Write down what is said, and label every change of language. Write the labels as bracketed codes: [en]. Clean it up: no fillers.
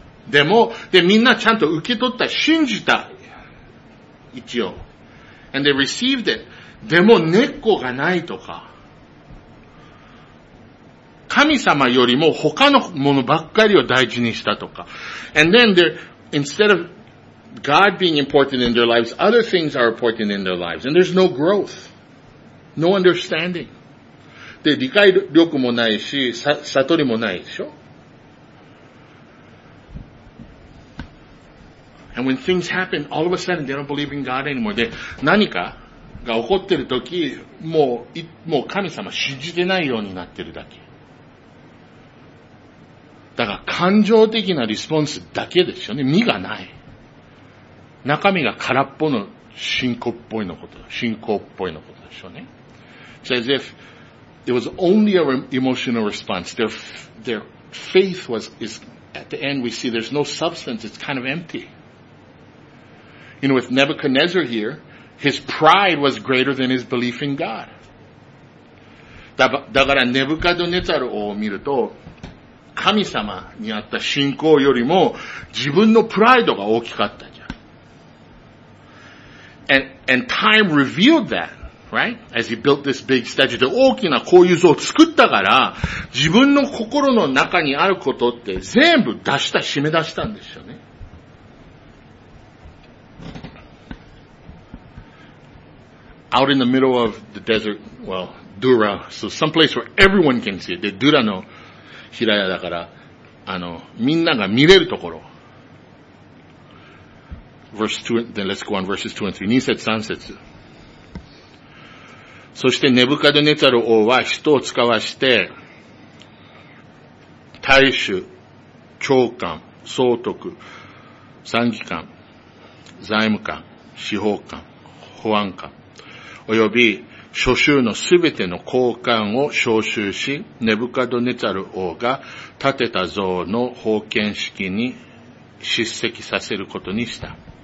[ja] でも、で、みんなちゃんと受け取った、信じた。一応。 [en] And they received it. [ja] でも、根っこがないとか。神様よりも他のものばっかりを大事にしたとか。 [en] And then, instead of God being important in their lives, other things are important in their lives. And there's no growth. No understanding. [ja] で、理解力もないし、悟りもないでしょ。 [en] And when things happen, all of a sudden they don't believe in God anymore. [ja] で、何かが起こってる時、もう神様信じてないようになってるだけ。だから感情的なリスポンスだけですよね。身がない。中身が空っぽの信仰っぽいのこと、信仰っぽいのことでしょうね。 [en] So as if it was only an emotional response. Their faith is at the end we see there's no substance. It's kind of empty. You know, with Nebuchadnezzar here, his pride was greater than his belief in God. [ja] だから、ネブカドネザルを見ると、神様にあった信仰よりも、自分のプライドが大きかったじゃん。 [en] And time revealed that, right? As he built this big statue, [ja] 大きなこういう像を作ったから、自分の心の中にあることって全部出した、締め出したんですよね。 [en] Out in the middle of the desert, well, Dura, so someplace where everyone can see it. [ja] で、Dura の平野だから、みんなが見れるところ。 [en] Verses 2 and then let's go on verses 2 and 3. [ja] 2節3節。そして、ネブカドネザル王は人を遣わして、大衆、長官、総督、参議官、財務官、司法官、保安官、および、諸州のすべての高官を召集し、ネブカドネザル王が建てた像の奉献式に出席させることにした。